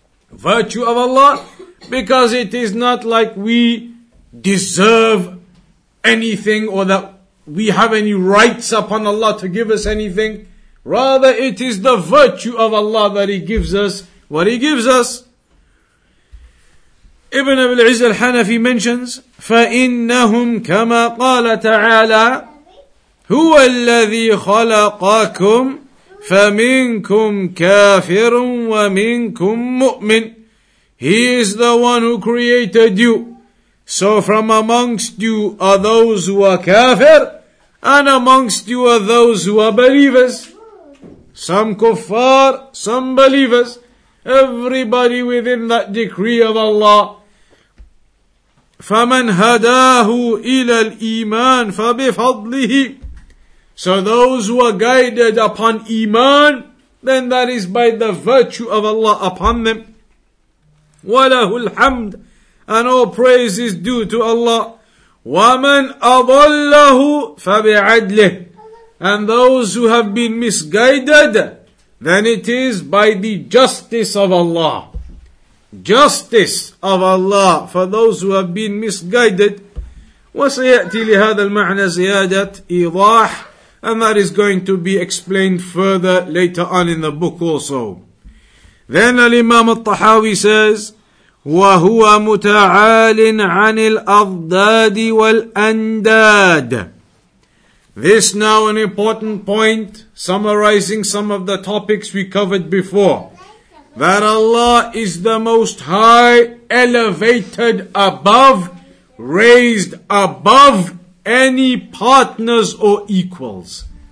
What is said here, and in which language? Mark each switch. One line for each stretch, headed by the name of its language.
English: Virtue of Allah, because it is not like we deserve anything or that we have any rights upon Allah to give us anything. Rather, it is the virtue of Allah that He gives us what He gives us. Ibn Abil Izz al-Hanafi mentions,
Arabic: فَإِنَّهُمْ كَمَا قَالَ تَعَالَىٰ هُوَ الَّذِي خَلَقَكُمْ فَمِنْكُمْ كَافِرٌ وَمِنْكُمْ مُؤْمِنٌ.
English: He is the one who created you. So from amongst you are those who are kafir, and amongst you are those who are believers. Some kuffar, some believers. Everybody within that decree of Allah.
Arabic: فَمَنْ هَدَاهُ إِلَى الْإِيمَانِ فَبِفَضْلِهِ.
English: So those who are guided upon iman, then that is by the virtue of Allah upon them.
Arabic: وَلَهُ الْحَمْدِ.
English: And all praise is due to Allah.
Arabic: وَمَنْ أَضَلَّهُ فَبِعَدْلِهِ.
English: And those who have been misguided, than it is by the justice of Allah. Justice of Allah for those who have been misguided.
Arabic: وَسَيَأْتِي لِهَذَا الْمَعْنَى زِيَادَةِ إِضَاحِ.
English: And that is going to be explained further later on in the book also. Then Al-Imam Al-Tahawi says,
Arabic: وَهُوَ مُتَعَالٍ عَنِ الْأَضْدَادِ وَالْأَنْدَادِ.
English: This now an important point, summarizing some of the topics we covered before. That Allah is the most high, elevated above, raised above any partners or equals.